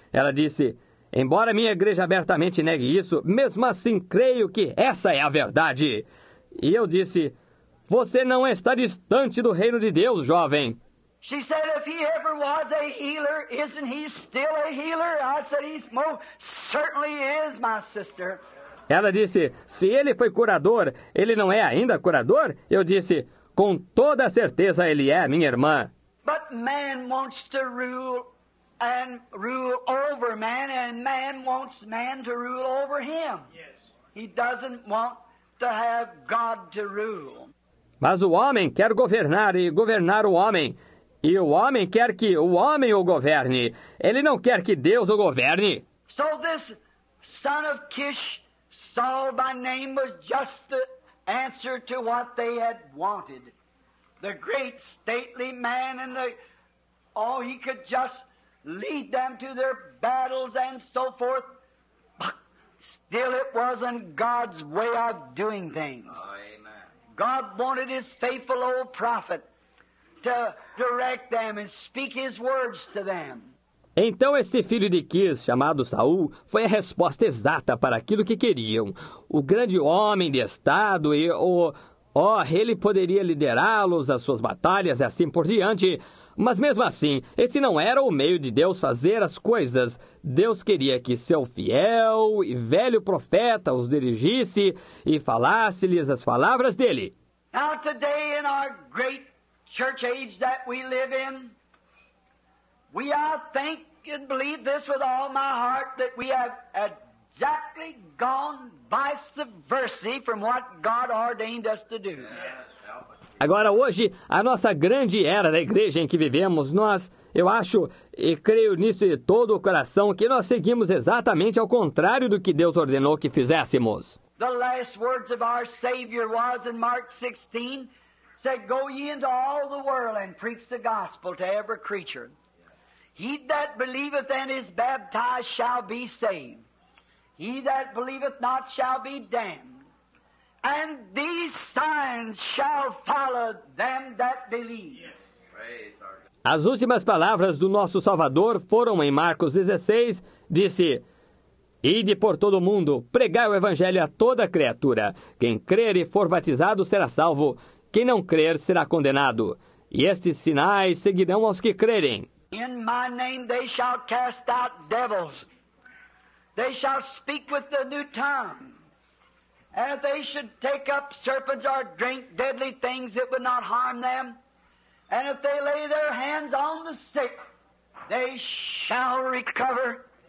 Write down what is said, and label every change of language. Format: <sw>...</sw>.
<pt>Ela disse, embora minha igreja abertamente negue isso, mesmo assim creio que essa é a verdade. E eu disse, você não está distante do reino de Deus, jovem.</pt> <en>She said, if he ever was a healer, isn't he still a healer? I said, he most certainly is, my sister.</en> <pt>Ela disse, se ele foi curador, ele não é ainda curador? Eu disse, com toda certeza ele é, minha irmã.</pt> <en>But man wants to rule and rule over man, and man wants man to rule over him. Yes. He doesn't want to have God to rule.</en> <pt>Mas o homem quer governar e governar o homem. E o homem quer que o homem o governe. Ele não quer que Deus o governe.</pt> <en>So this son of Kish, Saul by name, was just the answer to what they had wanted. The great stately man and the... Oh, he could just lead them to their battles and so forth. But still, it wasn't God's way of doing things. Oh, amen. God wanted his faithful old prophet to direct them and speak his words to them.</en> <pt>Então, esse filho de Quis, chamado Saul, foi a resposta exata para aquilo que queriam. O grande homem de Estado e o... Oh, ele poderia liderá-los às suas batalhas e assim por diante. Mas mesmo assim, esse não era o meio de Deus fazer as coisas. Deus queria que seu fiel e velho profeta os dirigisse e falasse-lhes as palavras dele.</pt> <en>Now today in our great church age that we live in, we all think and believe this with all my heart that we have exactly gone vice versa from what God ordained us to do.</en> <pt>Agora, hoje, a nossa grande era da igreja em que vivemos, nós, eu acho e creio nisso de todo o coração, que nós seguimos exatamente ao contrário do que Deus ordenou que fizéssemos.</pt> <en>The last words of our Savior was in Mark 16, said, go ye into all the world and preach the gospel to every creature. He that believeth and is baptized shall be saved. He that believeth not shall be damned. And these signs shall follow them that believe.</en> <pt>As últimas palavras do nosso Salvador foram em Marcos 16, disse, ide por todo o mundo, pregai o evangelho a toda criatura. Quem crer e for batizado será salvo, quem não crer será condenado. E estes sinais seguirão aos que crerem.</pt> <en>In my name they shall cast out devils. They shall speak with the new tongue. And if they should take up serpents or drink deadly things, it would not harm them. And if they lay their hands on the sick, they shall recover.</en>